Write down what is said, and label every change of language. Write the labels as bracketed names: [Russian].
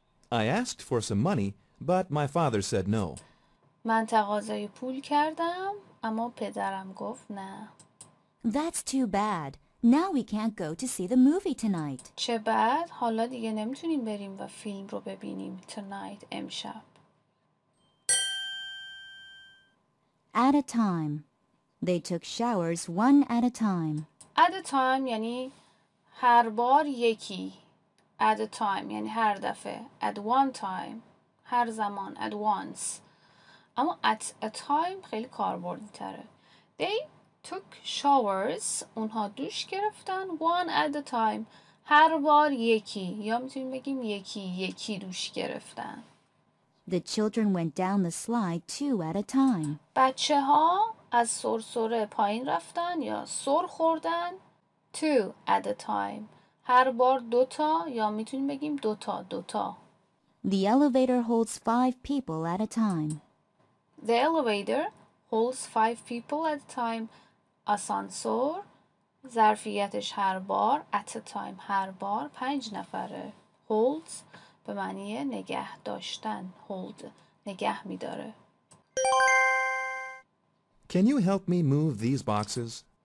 [English] I asked for some money, but my father said no. [Persian] من تقاضای پول کردم، اما پدرم گفت نه. [English] That's too bad. Now we can't go to see the movie tonight. [Persian] چه بد؟ حالا دیگه نمیتونیم بریم و فیلم رو ببینیم. [English] Tonight, امشب. At a time. They took showers one at a time. [Persian] At a time یعنی هر بار یکی. At a time یعنی هر دفعه. At one time. هر زمان. At once. اما at a time خیلی کاربردی تره. [English] They took showers، [Persian] اونها دوش گرفتن، [English] one at a time، [Persian] هر بار یکی، یا میتونیم بگیم یکی دوش گرفتن. [English] The children went down the slide two at a time. [Persian] بچه ها از سرسره پایین رفتن یا سر خوردن، [English] two at a time، [Persian] هر بار دوتا، یا میتونیم بگیم دوتا. [English] The elevator holds five people at a time. The elevator holds five people at a time. [Persian] آسانسور ظرفیتش هر بار [English] at a time [Persian] هر بار پنج نفره. holds به معنی نگه داشتن، hold نگه می‌داره. [English] Can you help me move these boxes?